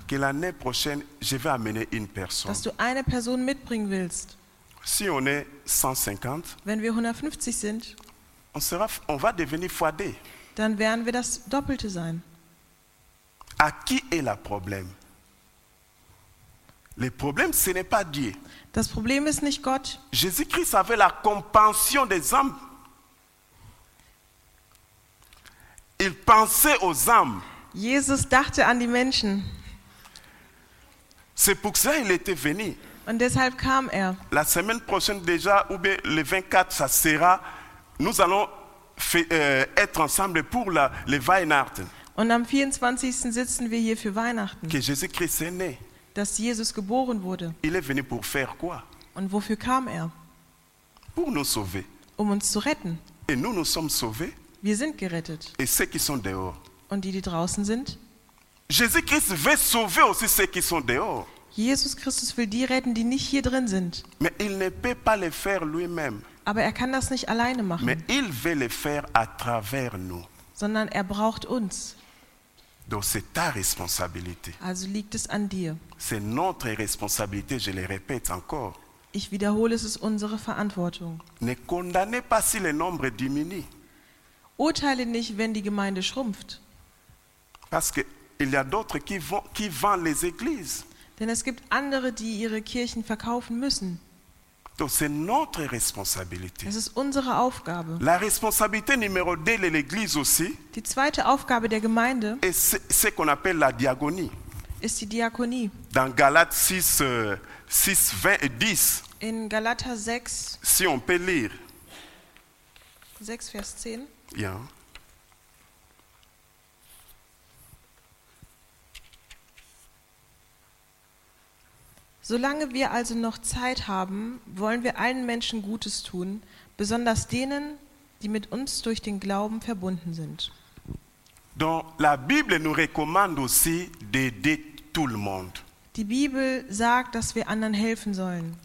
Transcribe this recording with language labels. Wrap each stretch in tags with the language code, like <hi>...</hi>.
<fr>que l'année prochaine, je vais amener une personne,</fr> <de>dass du eine Person mitbringen willst,</de> <fr>si on est 150,</fr> <de>wenn wir 150 sind,</de> <fr>on va devenir fois deux.</fr> <de>Dann werden wir das Doppelte sein.</de> <fr>À qui est le problème? Le problème, ce n'est pas Dieu.</fr> <de>Das Problem ist nicht Gott.</de> <fr>Jésus-Christ avait la compassion des âmes. Il pensait aux âmes.</fr> <de>Jesus dachte an die Menschen.</de> <fr>C'est pour cela qu'il était venu.</fr> <de>Und deshalb kam er.</de> <fr>La semaine prochaine déjà, ou bien le 24, ça sera, nous allons être ensemble pour le Weihnachten.</fr> <de>Und am 24. sitzen wir hier für Weihnachten.</de> <fr>Que Jésus-Christ est né.</fr> <de>Dass Jesus geboren wurde.</de> <fr>Il est venu pour faire quoi?</fr> <de>Und wofür kam er?</de> <fr>Pour nous sauver.</fr> <de>Um uns zu retten.</de> <fr>Et nous, nous sommes sauvés.</fr> <de>Wir sind gerettet.</de> <fr>Et ceux qui sont dehors.</fr> <de>Und die draußen sind?</de> <fr>Jésus-Christ veut sauver aussi ceux qui sont dehors.</fr> <de>Jesus Christus will die retten, die nicht hier drin sind.</de> <fr>Mais il ne peut pas le faire lui-même.</fr> <de>Aber er kann das nicht alleine machen.</de> <fr>Mais il veut le faire à travers nous.</fr> <de>Sondern er braucht uns.</de> <fr>Donc c'est ta responsabilité.</fr> <de>Also liegt es an dir.</de> <fr>C'est notre responsabilité, je le répète encore.</fr> <de>Ich wiederhole, es ist unsere Verantwortung.</de> <fr>Ne condamnez pas si le nombre diminue.</fr> <de>Urteile nicht, wenn die Gemeinde schrumpft.</de> <fr>Parce que il y a d'autres qui vendent les églises.</fr> <de>Denn es gibt andere, die ihre Kirchen verkaufen müssen.</de> <fr>Donc c'est notre responsabilité.</fr> <de>Es ist unsere Aufgabe.</de> <fr>La responsabilité numéro 2 de l'église aussi.</fr> <de>Die zweite Aufgabe der Gemeinde.</de> <fr>Et c'est qu'on appelle la diaconie.</fr> <de>Ist die Diakonie.</de> <fr>Dans Galates 6 20 et 10.</fr> <de>In Galater 6.</de> <fr>Si on peut lire.</fr> <de>6 Vers 10. Ja. Yeah. Solange wir also noch Zeit haben, wollen wir allen Menschen Gutes tun, besonders denen, die mit uns durch den Glauben verbunden sind.</de> <fr>Donc la Bible nous recommande aussi d'aider tout le monde.</fr> <de>Die Bibel sagt, dass wir anderen helfen sollen.</de>